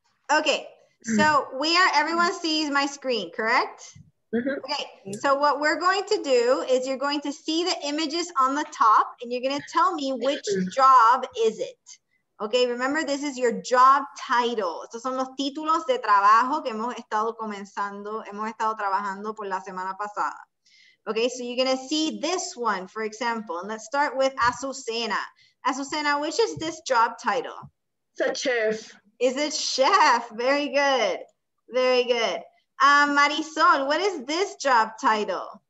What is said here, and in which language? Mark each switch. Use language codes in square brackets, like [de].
[en] Okay, so we are, everyone sees my screen, correct? Okay, so what we're going to do is you're going to see the images on the top and you're going to tell me which job is it. Okay, remember this is your job title. [es] Estos son los títulos de trabajo que hemos estado comenzando, hemos estado trabajando por la semana pasada. [en] Okay, so you're going to see this one, for example, and let's start with Azucena. Azucena, which is this job title? It's a chef. Is it chef? Very good. Very good. Marisol, what is this job title?